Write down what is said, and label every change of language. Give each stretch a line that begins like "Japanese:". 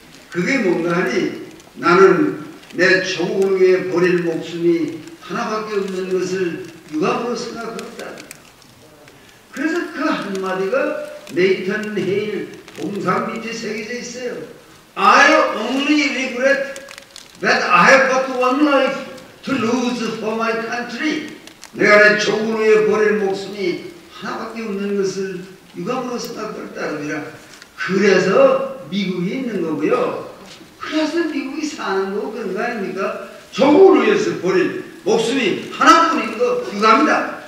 Korean: 그게 뭔가 하니 나는 내 조국을 위해 버릴 목숨이 하나밖에 없는 것을 유감으로 생각합니다. 그래서 그 한마디가 네이턴 헤일 동상 밑에 새겨져 있어요.
English: I only regret that I have but one life to lose for my country.
Korean: 내가 내 조국을 위해 버릴 목숨이 하나밖에 없는 것을 유감으로 생각할 따름이라. 그래서 미국이 있는 거고요. 그래서 미국이 사는 거 그런 거 아닙니까? 조국을 위해서 버릴 목숨이 하나뿐인 거 유감이다.